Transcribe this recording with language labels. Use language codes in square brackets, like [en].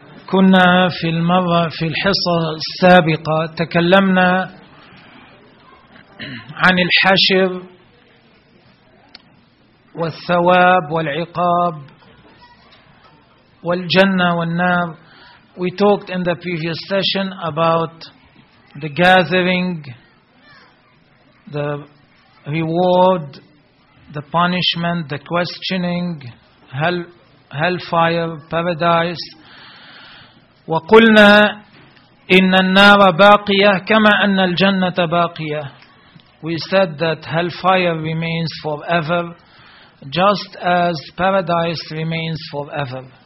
[ar] كنا في المرة في الحصة السابقة تكلمنا عن الحشر والثواب والعقاب والجنة والنار. [en] We talked in the previous session about the gathering, the reward, the punishment, the questioning, hellfire, paradise. [ar] وقلنا إن النار باقية كما أن الجنة باقية. [en] We said that hellfire remains forever, just as paradise remains forever.